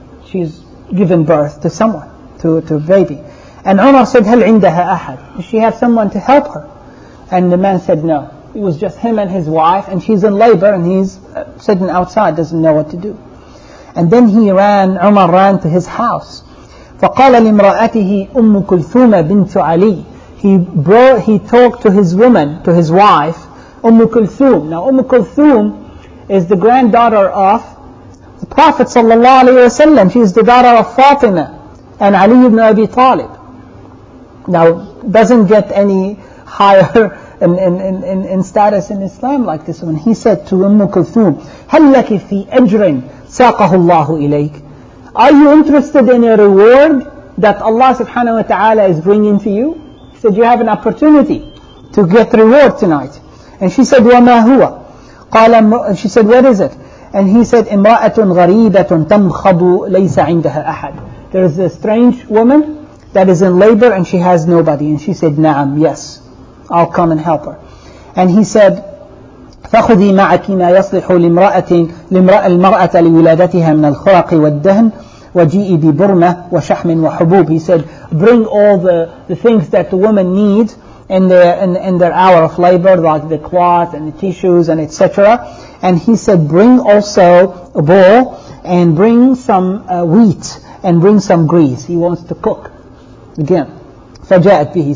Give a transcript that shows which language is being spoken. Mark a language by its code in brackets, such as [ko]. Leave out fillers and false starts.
[en] She's given birth to someone, to a baby. And Umar said, [ar] "Hal 'indaha ahad?" [en] Does she have someone to help her? And the man said, "No. It was just him and his wife, and she's in labor, and he's sitting outside, doesn't know what to do." And then he ran, Umar ran to his house. [ar] فقال لامرأته أم كلثوم بنت علي. [en] He talked to his woman, to his wife, أم كلثوم. Now أم كلثوم is the granddaughter of the Prophet صلى الله عليه وسلم. She is the daughter of Fatima and Ali ibn Abi Talib. Now doesn't get any higher in status in Islam like this one. He said to أم كلثوم, [ar] هل لك في أجر ساقه الله إليك؟ [en] Are you interested in a reward that Allah subhanahu wa ta'ala is bringing to you? He said, "You have an opportunity to get reward tonight." And she said, [ar] "وَمَا هُوَ?" [en] She said, "What is it?" And he said, [ar] "إِمْرَأَةٌ غَرِيبَةٌ تَمْخَضُ لَيْسَ عِنْدَهَا أَحَدٌ." [en] There is a strange woman that is in labor and she has nobody. And she said, [ar] "نعم, [en] yes, I'll come and help her." And he said, [ar] فخذي معك ما يصلح لامرأة المرأة لولادتها من الخرق والدهن وجيئي ببرمة وشحم وحبوب. [en] He said, "Bring all the things that the woman needs in their hour of labor, like the cloth and the tissues and etc." And he said, "Bring also a bowl and bring some wheat and bring some grease." He wants to cook again. [ar] فجاءت به.